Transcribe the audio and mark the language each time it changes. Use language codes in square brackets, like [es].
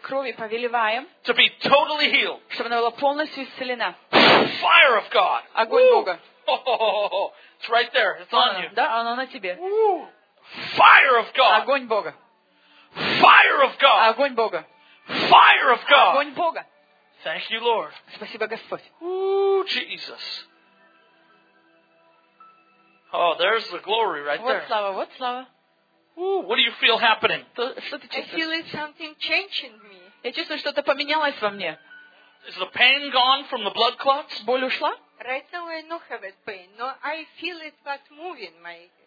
[ru] Крови повелеваем. [en] To be totally healed. [ru] Чтобы она была полностью исцелена. [en] Fire of God. [ru] Огонь Бога. [en] It's right there. It's on you. [ru] Да, оно на тебе. [en] Fire of God. [ru] Огонь Бога. [en] Fire of God. [ru] Огонь Бога. [en] Fire of God. [ru] Огонь Бога. [en] Thank you, Lord. [ru] Спасибо, Господь. [en] Jesus. Oh, there's the glory right there. [ru] Вот слава, вот слава. [en] What do you feel happening? I feel like something changing me. [ru] Я чувствую, что-то поменялось во мне. [en] Is the pain gone from the blood clots? [ru] Боль ушла? [en] Right now I don't have that pain, no, I feel it but moving my.